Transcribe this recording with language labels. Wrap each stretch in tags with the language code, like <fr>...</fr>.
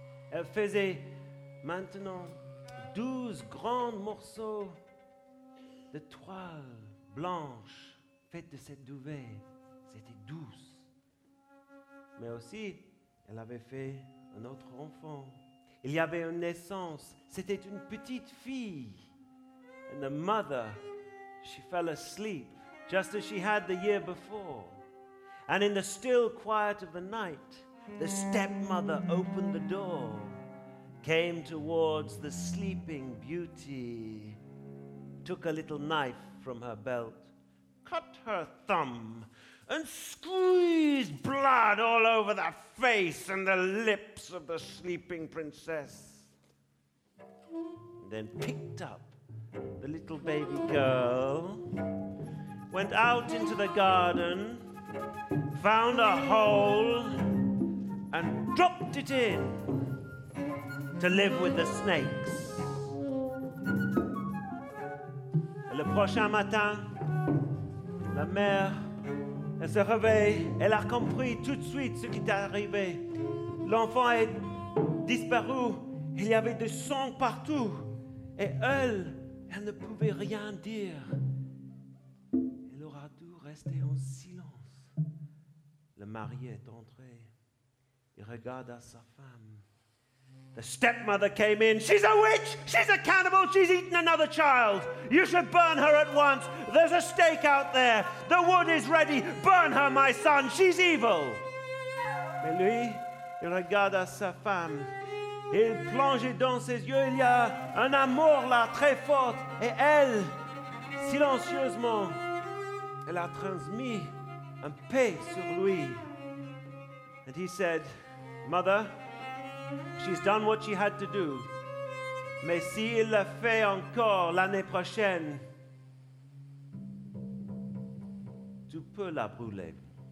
<fr>Elle faisait maintenant 12 grands morceaux de toile blanche faite de cette duvet. C'était douce. Mais aussi, elle avait fait un autre enfant. Il y avait une naissance. C'était une petite fille.</fr> <en>And the mother, she fell asleep, just as she had the year before. And in the still quiet of the night, the stepmother opened the door, came towards the sleeping beauty, took a little knife from her belt, cut her thumb, and squeezed blood all over the face and the lips of the sleeping princess. Then picked up the little baby girl, went out into the garden, found a hole, and dropped it in to live with the snakes.</en> <fr>Et le prochain matin, la mère, elle se réveille, elle a compris tout de suite ce qui était arrivé. L'enfant est disparu, il y avait du sang partout, et elle ne pouvait rien dire. Elle aura dû rester en silence. Le mari est entré. Il regarda sa femme.</fr> <en>The stepmother came in. She's a witch! She's a cannibal! She's eaten another child! You should burn her at once! There's a stake out there! The wood is ready! Burn her, my son! She's evil!</en> <fr>Mais lui, il regarda sa femme. Il plongeait dans ses yeux, il y a un amour là, très fort. Et elle, silencieusement, elle a transmis un paix sur lui.</fr> <en>And he said, Mother, she's done what she had to do.</en> <fr>Mais s'il le fait encore l'année prochaine, tu peux la brûler.</fr>